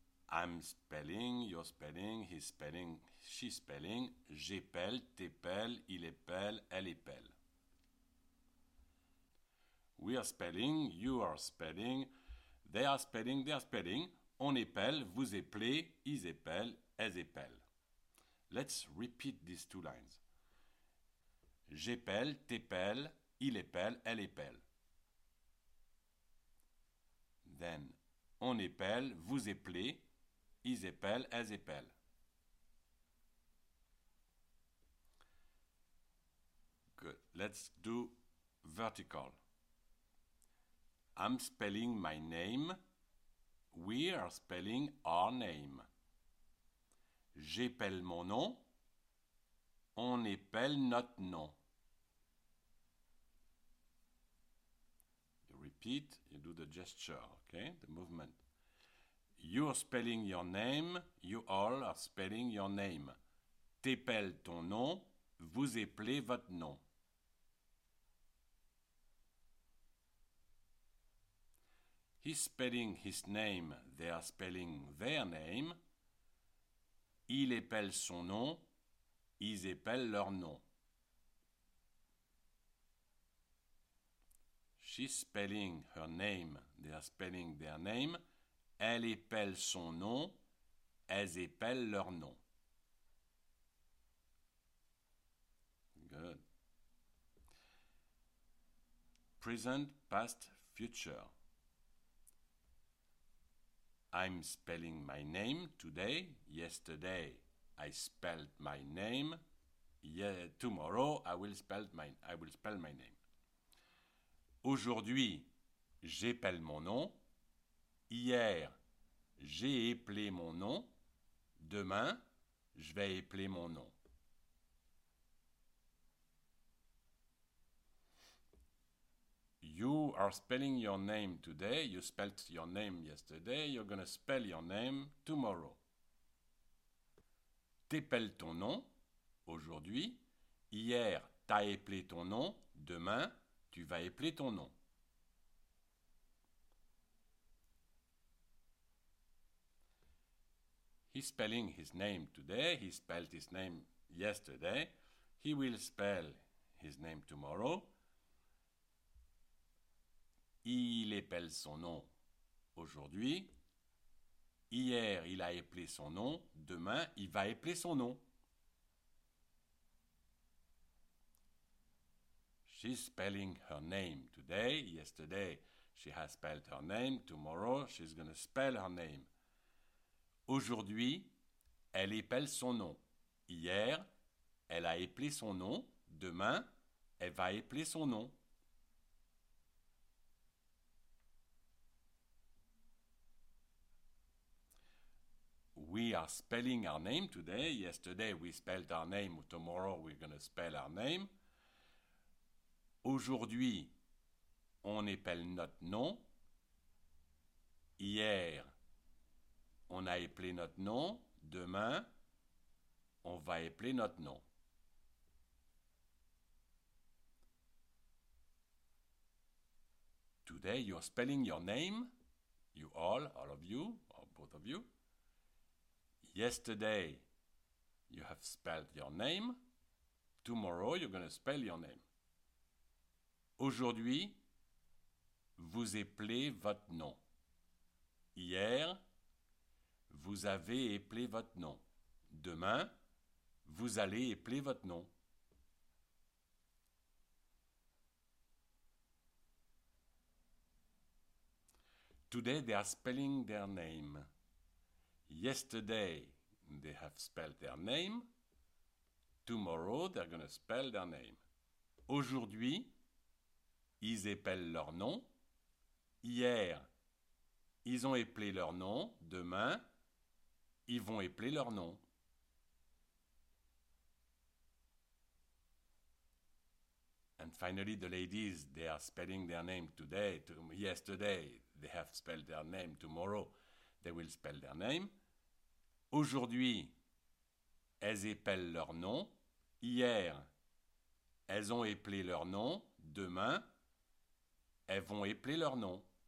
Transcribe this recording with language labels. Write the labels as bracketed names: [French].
[English] I'm spelling, you're spelling, he's spelling, she's spelling, [French] j'épelle, t'épelle, il épelle, elle épelle. [English] We are spelling, you are spelling, they are spelling, they're spelling. [French] On épelle, vous épelez, ils épellent, elles épellent. [English] Let's repeat these two lines. [French] J'épelle, t'épelle, il épelle, elle épelle. [English] Then, [French] on épelle, vous épelez, ils épellent, elles épellent. [English] Good. Let's do vertical. I'm spelling my name. We are spelling our name. [French] J'épelle mon nom. On épelle notre nom. [English] You repeat, you do the gesture, okay? The movement. You are spelling your name. You all are spelling your name. [French] T'épelle ton nom. Vous épelez votre nom. [English] He's spelling his name, they are spelling their name. [French] Il épelle son nom, ils épellent leur nom. [English] She's spelling her name, they are spelling their name. [French] Elle épelle son nom, elles épellent leur nom. [English] Good. Present, past, future. I'm spelling my name today. Yesterday, I spelled my name. Tomorrow, I will spell my name. [French] Aujourd'hui, j'épelle mon nom. Hier, j'ai épelé mon nom. Demain, je vais épeler mon nom. [English] You are spelling your name today. You spelled your name yesterday. You're going to spell your name tomorrow. [French] T'épelles ton nom aujourd'hui. Hier, t'as épelé ton nom. Demain, tu vas épeler ton nom. [English] He's spelling his name today. He spelled his name yesterday. He will spell his name tomorrow. [French] Il épelle son nom aujourd'hui. Hier, il a épelé son nom. Demain, il va épeler son nom. [English] She's spelling her name today. Yesterday, she has spelled her name. Tomorrow, she's going to spell her name. [French] Aujourd'hui, elle épelle son nom. Hier, elle a épelé son nom. Demain, elle va épeler son nom. [English] We are spelling our name today. Yesterday we spelled our name. Tomorrow we're going to spell our name. [French] Aujourd'hui, on épelle notre nom. Hier, on a épelé notre nom. Demain, on va épeler notre nom. [English] Today you're spelling your name. You all of you, or both of you. Yesterday, you have spelled your name. Tomorrow, you're going to spell your name. [French] Aujourd'hui, vous épelez votre nom. Hier, vous avez épelé votre nom. Demain, vous allez épeler votre nom. [English] Today, they are spelling their name. Yesterday, they have spelled their name. Tomorrow, they're going to spell their name. [French] Aujourd'hui, ils épellent leur nom. Hier, ils ont épelé leur nom. Demain, ils vont épeler leur nom. [English] And finally, the ladies, they are spelling their name today. Yesterday, they have spelled their name. Tomorrow, they will spell their name. [French] Aujourd'hui, elles épellent leur nom. Hier, elles ont épelé leur nom. Demain, elles vont épeler leur nom.